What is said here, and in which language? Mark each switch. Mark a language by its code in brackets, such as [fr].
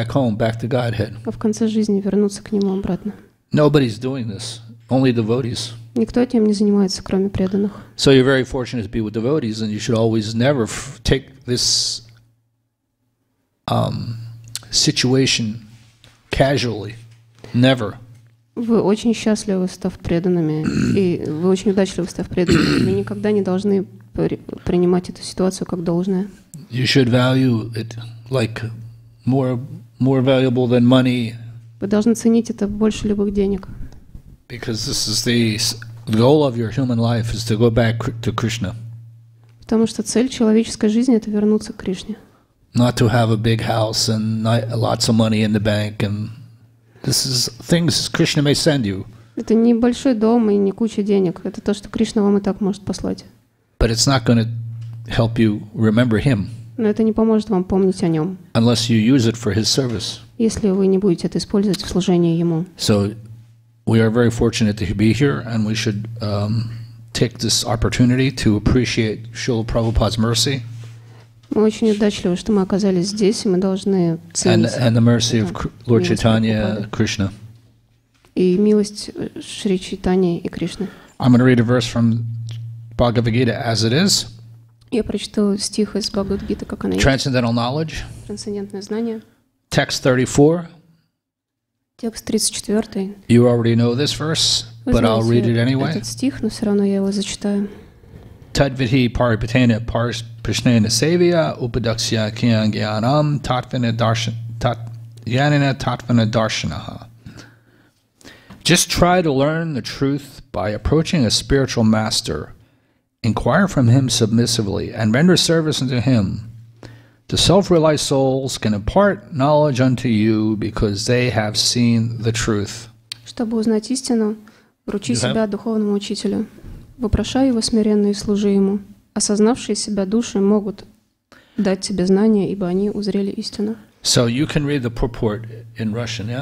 [ru] А в конце жизни вернуться к Нему обратно. [en] Nobody's doing this, only devotees. [ru] Никто этим не занимается, кроме преданных. [en] So you're very fortunate to be with devotees, and you should always never take this situation casually. Never. [ru] Вы очень счастливы, став преданными, и вы очень удачливы, став преданными. Вы никогда не должны принимать эту ситуацию как должное. [en] You should value it like more valuable than money. [ru] Вы должны ценить это больше любых денег. [en] Because this is the goal of your human life is to go back to Krishna. [ru] Потому что цель человеческой жизни это вернуться к Кришне. [en] Not to have a big house and lots of money in the bank and this is things Krishna may send you. [ru] Это не большой дом и не куча денег. Это то, что Кришна вам и так может послать. [en] But it's not going to help you remember him. [ru] Но это не поможет вам помнить о нем. [en] Unless you use it for his service. [ru] Если вы не будете это использовать в служении ему. [en] So we are very fortunate to be here, and we should take this opportunity to appreciate Srila Prabhupada's mercy. [ru] Мы очень удачливы, что мы оказались здесь, и мы должны ценить. [en] And the mercy of Lord Chaitanya Krishna. [ru] И милость Шри Чайтаньи и Кришны. [en] I'm going to read a verse from Bhagavad Gita as it is. [ru] Я прочитал стих из Бхагавад-гиты, как она есть. [en] Transcendental knowledge. [ru] Трансцендентное знание. [en] Text 34. [ru] Текст 34. [en] You already know this verse, but I'll read it anyway. [ru] Этот стих, но все равно я его зачитаю. [sa] Tadvithi paripatena paris prishnena sevya upadaksya kyan gyanam tatvina darshan tat yanina tatvina darshanaha. [en] Just try to learn the truth by approaching a spiritual master. Inquire from him submissively and render service unto him. The self-realized souls can impart knowledge unto you because they have seen the truth. [ru] Чтобы узнать истину, вручи себя духовному учителю. Вопрошай его смиренно и служи ему. Осознавшие себя души могут дать тебе знания, ибо они узрели истину. [en] So you can read the purport in Russian, yeah?